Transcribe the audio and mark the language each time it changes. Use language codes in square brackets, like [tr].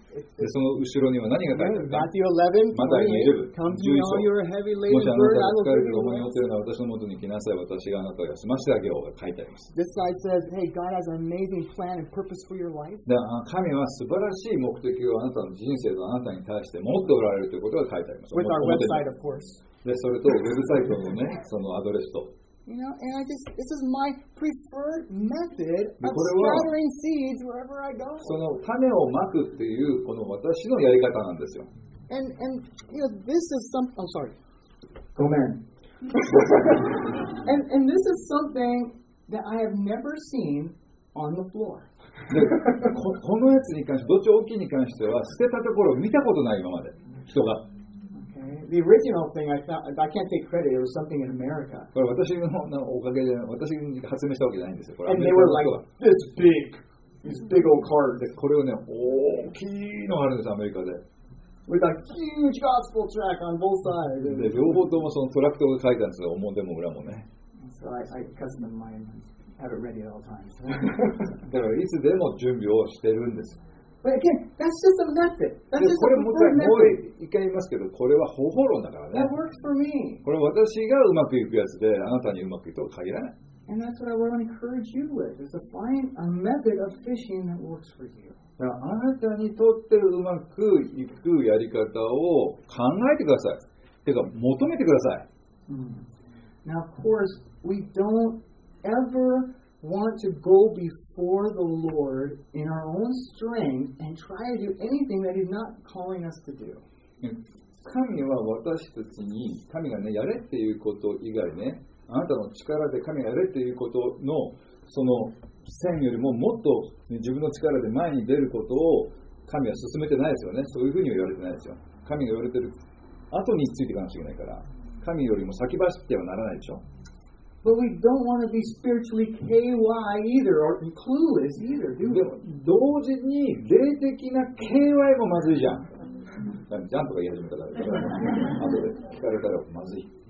[ja] その後ろには何が書いてあるか [en] Matthew 11, Come to me, all your heavy laden burden, I will give you rest. [ja] もしあなたが疲れている思いを持っているのは私のもとに来なさい。私があなたを休ませてあげようが書いてあります。 [en] This side says, hey, God has an amazing plan and purpose for your life. [ja] 神は素晴らしい目的をあなたの人生とあなたに対して持っておられるということが書いてあります。 [en] With our website, of course. [ja] で、それとウェブサイトのね、そのアドレスと。 [en] You know, and I just, this is my preferred method of scattering seeds wherever I go. [ja] その種をまくっていうこの私のやり方なんですよ。 [en] And you know, this is some, I'm sorry. [ja] ごめん。 [en] And this is something that I have never seen on the floor. [ja] で、このやつに関して、どっち大きいに関しては捨てたところを見たことない今まで、人が。 [en] The original thing, I can't take credit, it was something in America. [ja] これ私のおかげで、私が発明したわけじゃないんですよ。これ [en] And they were like, this big, this big old card. [ja] で、これをね、大きいのがあるんです、アメリカで。 [en] With a huge gospel track on both sides. [ja] で、両方ともそのトラクトが書いてあるんですよ、表も裏もね。 [en] So I custom mine, have it ready at all times. [ja] だからいつでも準備をしてるんです。 [en] But again, that's just a method. That's just a preferred method. [ja] これもう一回言いますけど、これは方法論だからね。 [en] That works for me. [ja] これ私がうまくいくやつで、あなたにうまくいくとは限らない。 [en] And that's what I want to encourage you with. Is to find a method of fishing that works for you. [ja] だからあなたにとってうまくいくやり方を考えてください。てか求めてください。 Mm. [en] Now, of course, we don't ever want to go before the Lord in our own strength and try to do anything that He's not calling us to do. [ja] 神は私たちに神がねやれっていうこと以外ね、あなたの力で神がやれっていうことのその線よりももっと、ね、自分の力で前に出ることを神は進めてないですよね。そういうふうには言われてないですよ。神が言われてる後についていかなきゃいけないから、神よりも先走ってはならないでしょ。 [en] But we don't want to be spiritually KY either or clueless either, do we? [ja] 同時に霊的な KY もまずいじゃん。ジャンとか言い始めたから、あとで聞かれたらまずい。